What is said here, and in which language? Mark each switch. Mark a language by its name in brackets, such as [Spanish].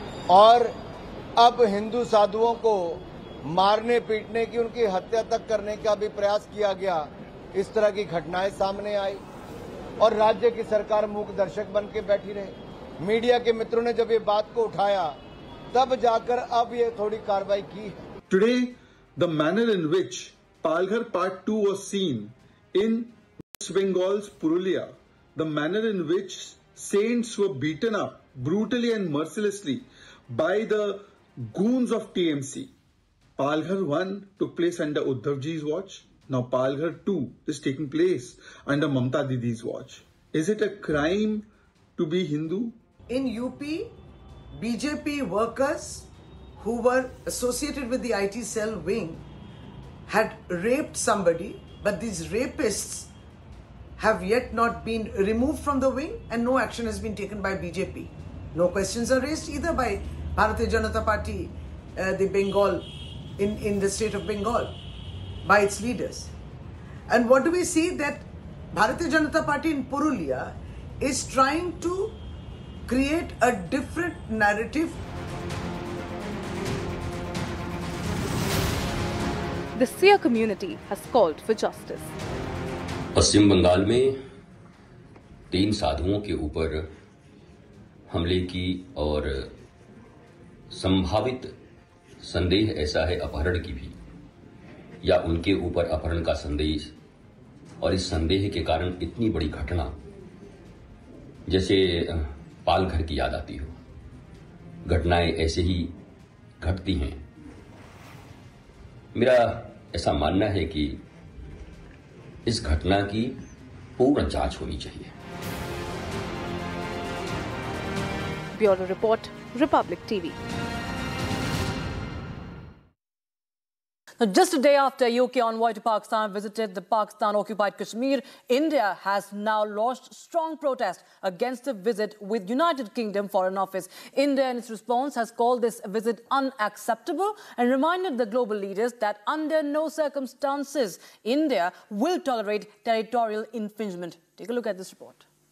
[Hindi] और अब हिंदू साधुओं को मारने पीटने की उनकी हत्या तक करने का भी प्रयास किया गया इस तरह की घटनाएं सामने आई और राज्य की सरकार मूक दर्शक बन के बैठी रही मीडिया के मित्रों ने जब ये बात को उठाया तब जाकर अब ये थोड़ी कार्रवाई की [English] Today the manner in which Palghar part two was seen in West Bengal's Purulia the manner in which saints were beaten up brutally and mercilessly by the goons of TMC. Palghar 1 took place under Uddhavji's watch. Now Palghar 2 is taking place under Mamata Didi's watch. Is it a crime to be Hindu? in UP, BJP workers who were associated with the IT cell wing had raped somebody, but these rapists have yet not been removed from the wing and no action has been taken by BJP. No questions are raised either by Bharatiya Janata Party, the Bengal, in the state of Bengal, by its leaders. And what do we see? That Bharatiya Janata Party in Purulia is trying to create a different narrative. The Sikh community has called for justice. [Hindi] पश्चिम बंगाल में तीन साधुओं के ऊपर हमले की और संभावित संदेह ऐसा है अपहरण की भी, या उनके ऊपर अपहरण का संदेश और इस संदेह के कारण इतनी बड़ी घटना जैसे पालघर की याद आती हो। घटनाएं ऐसे ही घटती हैं। मेरा ऐसा मानना है कि इस घटना की पूर्ण जांच होनी चाहिए। Bureau report, Republic TV. [English] Just a day after UK envoy to Pakistan visited the Pakistan-occupied Kashmir, India has now launched strong protest against the visit with United Kingdom Foreign Office. India, in its response, has called this visit unacceptable and reminded the global leaders that under no circumstances India will tolerate territorial infringement. Take a look at this report.